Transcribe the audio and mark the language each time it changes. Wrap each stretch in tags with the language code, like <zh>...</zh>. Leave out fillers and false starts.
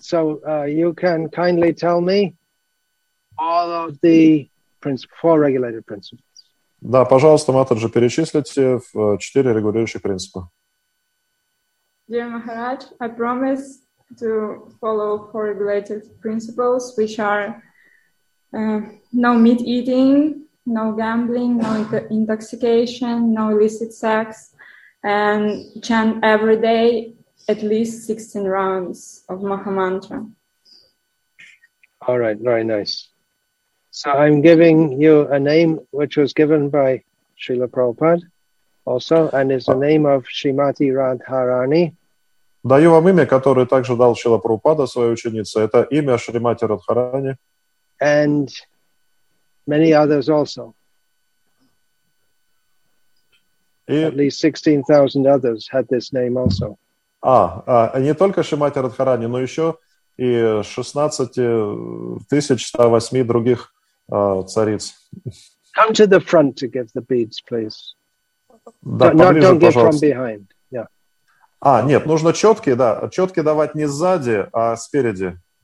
<en>So you can kindly tell me all of the principles, four regulated principles.</en> <ru>Да, пожалуйста, Матаджи, перечислите четыре регулирующих принципа.</ru> <en>Dear Maharaj, I promise to follow four regulated principles, which are no meat eating, no gambling, no intoxication, no illicit sex, and chant every day at least 16 rounds of Maha Mantra. All right, very nice. So I'm giving you a name which was given by Srila Prabhupada also, and is the name of Srimati Radharani.</en> <ru>Даю вам имя, которое также дал Шрила Прабхупада своей ученице. Это имя Шримати Радхарани.</ru> <en>And many others also. И... At least 16,000 others had this name also.</en> <ru>Не только Шримати Радхарани, но еще и 16,108 других цариц.</ru> <en>Come to the front to give the beads, please.</en> <ru>Да, поближе,</ru> <en>don't give from behind.</en> <ru>А, нет, нужно четкие, да. Четкие давать не сзади, а спереди.</ru>